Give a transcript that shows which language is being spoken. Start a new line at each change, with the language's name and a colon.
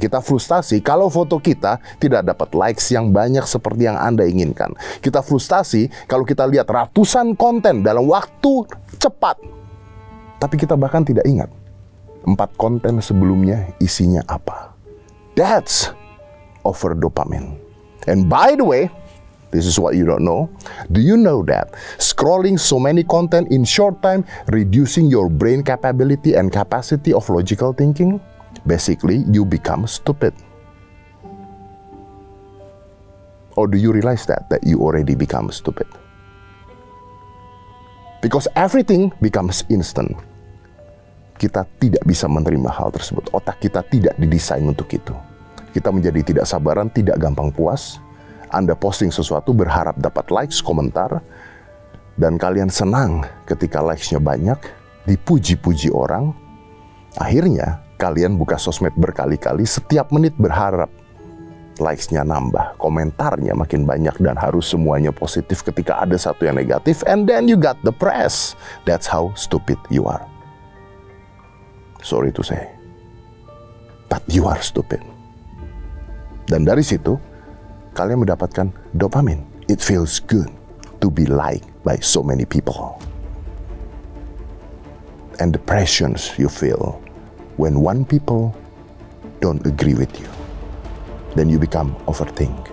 Indonesian: Kita frustasi kalau foto kita tidak dapat likes yang banyak seperti yang Anda inginkan. Kita frustasi kalau kita lihat ratusan konten dalam waktu cepat. Tapi kita bahkan tidak ingat 4 konten sebelumnya isinya apa.
English: That's over dopamine. And by the way, this is what you don't know. Do you know that scrolling so many content in short time reducing your brain capability and capacity of logical thinking? Basically, you become stupid. Or do you realize that you already become stupid? Because everything becomes instant.
Indonesian: Kita tidak bisa menerima hal tersebut. Otak kita tidak didesain untuk itu. Kita menjadi tidak sabaran, tidak gampang puas. Anda posting sesuatu berharap dapat likes, komentar, dan kalian senang ketika likes-nya banyak, dipuji-puji orang. Akhirnya, kalian buka sosmed berkali-kali, setiap menit berharap likes-nya nambah, komentarnya makin banyak, dan harus semuanya positif ketika ada satu yang negatif,
English: and then you got depressed. That's how stupid you are. Sorry to say, but you are stupid.
Indonesian: Dan dari situ, kalian mendapatkan dopamin.
English: It feels good to be liked by so many people. And the pressures you feel when one people don't agree with you, then you become overthink.